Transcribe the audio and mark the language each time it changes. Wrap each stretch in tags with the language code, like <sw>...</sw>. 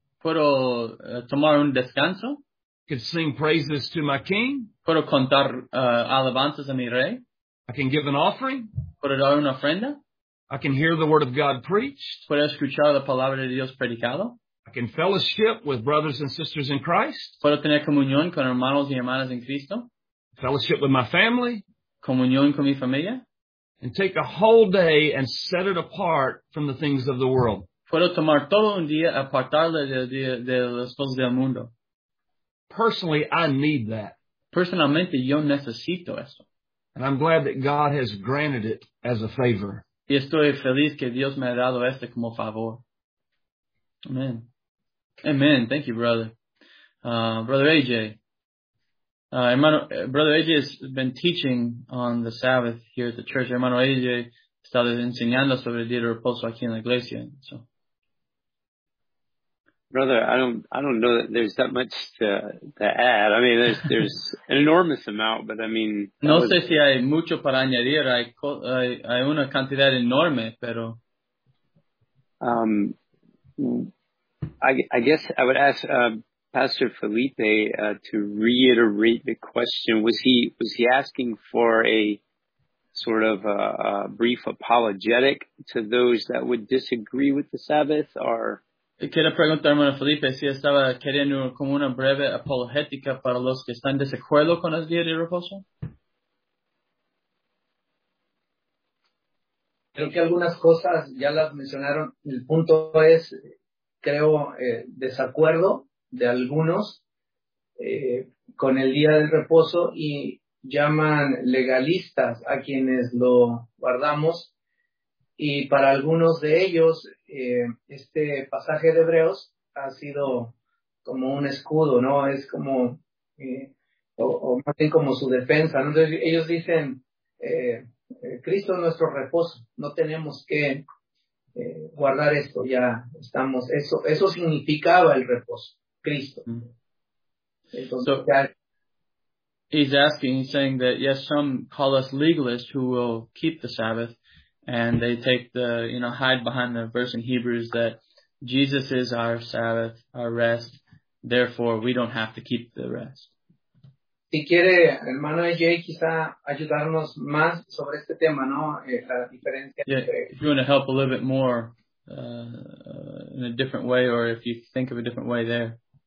<es>Puedo tomar un descanso.</es> <en>Could sing praises to my king.</en> <es>Puedo contar alabanzas a mi rey.</es> <en>I can give an offering.</en> <es>Puedo dar una ofrenda.</es> <en>I can hear the word of God preached.</en> <es>Puedo escuchar la palabra de Dios predicado.</es> <en>I can fellowship with brothers and sisters in Christ.</en> <es>Puedo tener comunión con hermanos y hermanas en Cristo.</es> <en>Fellowship with my family.</en> <es>Comunión con mi familia.</es> <en>And take a whole day and set it apart from the things of the world.</en> <es>Puedo tomar todo un día, apartarle de las cosas del mundo.</es> <en>Personally, I need that.</en> <es>Personalmente, yo necesito eso.</es> <en>And I'm glad that God has granted it as a favor.</en> <es>Y estoy feliz que Dios me ha dado este como favor.</es> <en>Amen. Amen. Thank you, brother. Brother AJ. Hermano, Brother AJ has been teaching on the Sabbath here at the church.</en> <es>Hermano AJ está enseñando sobre el día de reposo aquí en la iglesia.</es> <en>So. Brother, I don't know that there's that much to add. I mean, there's an enormous amount, but I mean,</en> <es>no sé si hay mucho para añadir. Hay una cantidad enorme, pero</es> <en>I guess I would ask Pastor Felipe to reiterate the question. Was he asking for a sort of a brief apologetic to those that would disagree with the Sabbath? Or</en> <es>quiero preguntar, hermano Felipe, si estaba queriendo como una breve apologética para los que están desacuerdo con los días de reposo. Creo que algunas cosas ya las mencionaron. El punto es, creo, desacuerdo de algunos con el día del reposo y llaman legalistas a quienes lo guardamos. Y para algunos de ellos, este pasaje de Hebreos ha sido como un escudo, ¿no? Es como, o como su defensa, ¿no? Entonces ellos dicen, Cristo es nuestro reposo, no tenemos que guardar esto, ya estamos, eso significaba el reposo, Cristo. Entonces,</es> <en>he's asking, he's saying that, yes, some call us legalists who will keep the Sabbath. And they take the, you know, hide behind the verse in Hebrews that Jesus is our Sabbath, our rest. Therefore, we don't have to keep the rest.</en> <es>Si quiere, hermano EJ, quizá ayudarnos más sobre este tema, ¿no? La diferencia entre...</es> <en>Yeah, if you want to help a little bit more in a different way, or if you think of a different way there.</en>